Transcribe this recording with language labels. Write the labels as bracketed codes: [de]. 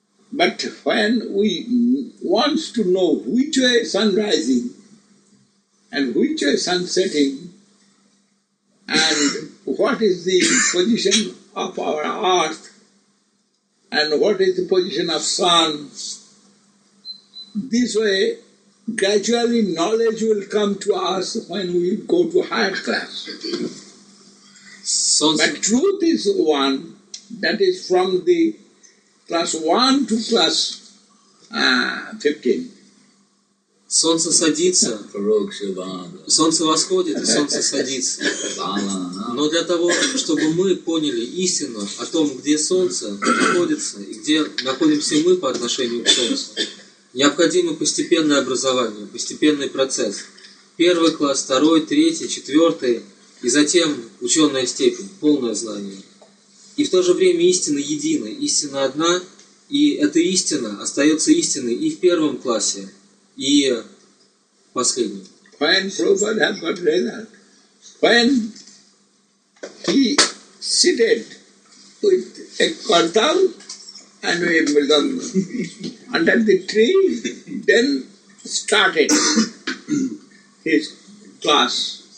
[en] But when we want to know which way sun rising and which way sun setting and what is the position of our earth and what is the position of sun, this way gradually knowledge will come to us when we go to higher class. So, but truth is one, that is from the class 1 to class 15. [ru] Солнце садится. Пророк Шивана. Солнце восходит и солнце садится. Но для того, чтобы мы поняли истину о том, где солнце находится и где находимся мы по отношению к солнцу, необходимо постепенное образование, постепенный процесс. Первый класс, второй, третий, четвертый. И затем ученая степень, полное знание. И в то же время истина едина, истина одна, и эта истина остается истиной и в первом классе, и в последнем. [en] When Prabhupada had got result, when he seated with a kartal and a mridang under the tree, then started his class.